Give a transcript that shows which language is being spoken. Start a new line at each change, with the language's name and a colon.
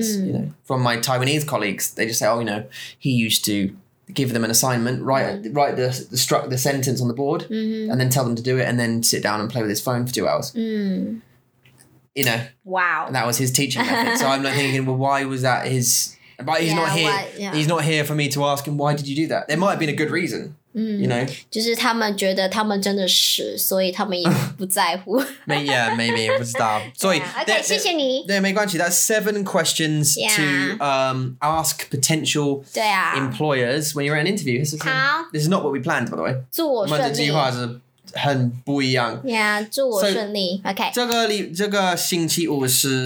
English: is, you know, from my Taiwanese colleagues they just say oh you know he used to give them an assignment write the sentence on the board、 mm-hmm. and then tell them to do it and then sit down and play with his phone for 2 hours、 mm. you know. Wow. And that was his teaching method. So I'm like thinking, well, why was that his... But he's not here. Yeah. He's not here for me to ask him, why did you do that? There might have been a good reason. You know?
Chinese: 就是他们觉得他们真的是, 所以他们也不在乎。
English: Yeah, maybe. It was dumb. Sorry. Yeah. Okay,
Chinese: 谢谢你。没关系,
English: that's 7 questions to ask potential employers when you're at an interview. This is, this is not what we planned, by the way.
Chinese: 祝我顺利。很不一样
English: Yeah,
Chinese: 祝我顺利
English: so, OK
Chinese: 这个星期五是